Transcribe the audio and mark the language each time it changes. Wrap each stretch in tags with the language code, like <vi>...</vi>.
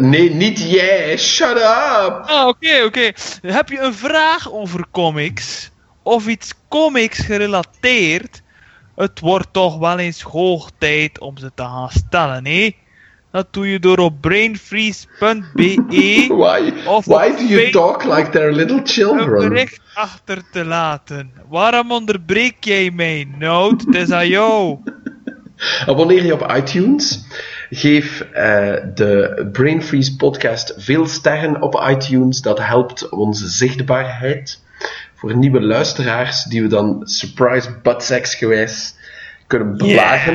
<nl>Nee, niet jij.</nl> <en>Shut up.</en> <nl>Oké. Heb je een vraag over comics? Of iets comics gerelateerd? Het wordt toch wel eens hoog tijd om ze te gaan stellen, hè? Dat doe je door op brainfreeze.be</nl> <en>why do you talk like they're little children?</en> <nl>Een bericht achter te laten. Waarom onderbreek jij mij, Noot? Het is aan jou. Abonneer je op iTunes. Geef de Brainfreeze podcast veel sterren op iTunes. Dat helpt onze zichtbaarheid. Voor nieuwe luisteraars die we dan</nl> <en>surprise buttsex</en> <nl>gewijs kunnen belagen.</nl>